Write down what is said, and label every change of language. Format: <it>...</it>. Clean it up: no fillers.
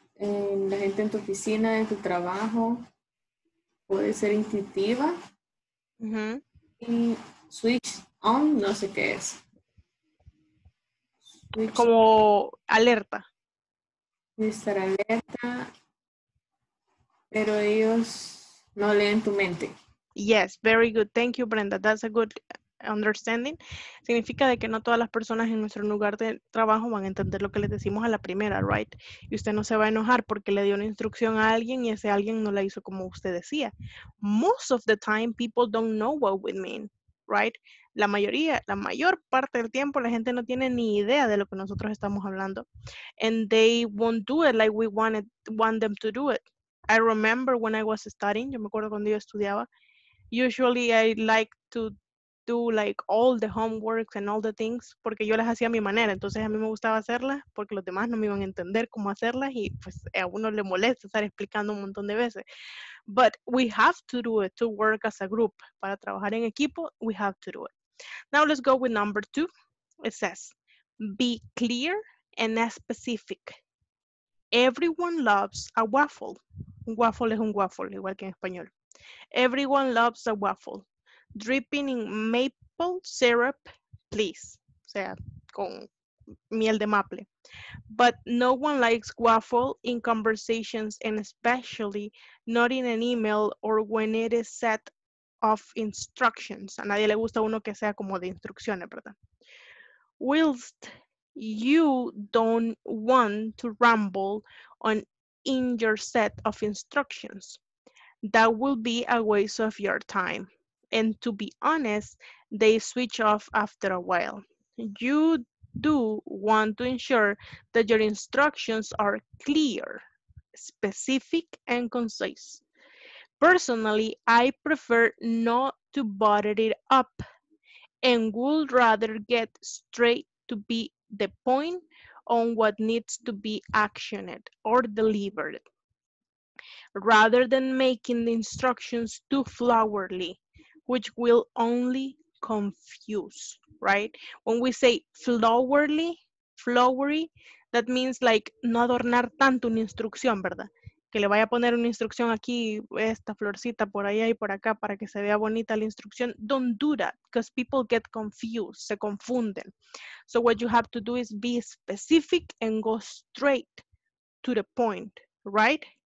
<es>la gente en tu oficina, en tu trabajo, puede ser intuitiva. Y switch on, no sé qué es. Como alerta. Estar alerta, pero ellos no leen tu mente.</es> <en>Yes, very good. Thank you, Brenda. That's a good</en> <es>understanding, significa de que no todas las personas en nuestro lugar de trabajo van a entender lo que les decimos a la primera, right? Y usted no se va a enojar porque le dio una instrucción a alguien y ese alguien no la hizo como usted decía.</es> <en>Most of the time, people don't know what we mean, right?</en> <es>La mayoría, la mayor parte del tiempo, la gente no tiene ni idea de lo que nosotros estamos hablando.</es> <en>And they won't do it like we want them to do it. I remember when I was studying,</en> <es>yo me acuerdo cuando yo estudiaba,</es> <en>usually I like to do like all the homeworks and all the things,</en> <es>porque yo las hacía a mi manera, entonces a mí me gustaba hacerlas, porque los demás no me iban a entender cómo hacerlas, y pues a uno le molesta estar explicando un montón de veces.</es> <en>But we have to do it to work as a group.</en> <es>Para trabajar en equipo,</es> <en>we have to do it. Now let's go with number two. It says, be clear and specific. Everyone loves a waffle.</en> <es>Un waffle es un waffle, igual que en español.</es> <en>Everyone loves a waffle. Dripping in maple syrup, please.</en> <es>O sea, con miel de maple.</es> <en>But no one likes waffle in conversations, and especially not in an email or when it is set of instructions.</en> <es>A nadie le gusta uno que sea como de instrucciones, ¿verdad?</es> <en>Whilst you don't want to ramble on in your set of instructions, that will be a waste of your time. And to be honest, they switch off after a while. You do want to ensure that your instructions are clear, specific, and concise. Personally, I prefer not to butter it up and would rather get straight to be the point on what needs to be actioned or delivered, rather than making the instructions too flowery, which will only confuse, right? When we say flowery, flowery, that means like</en> <es>no adornar tanto una instrucción, ¿verdad? Que le vaya a poner una instrucción aquí, esta florcita por allá y por acá para que se vea bonita la instrucción.</es> <en>Don't do that, because people get confused,</en> <es>se confunden.</es> <en>So what you have to do is be specific and go straight to the point, right?</en>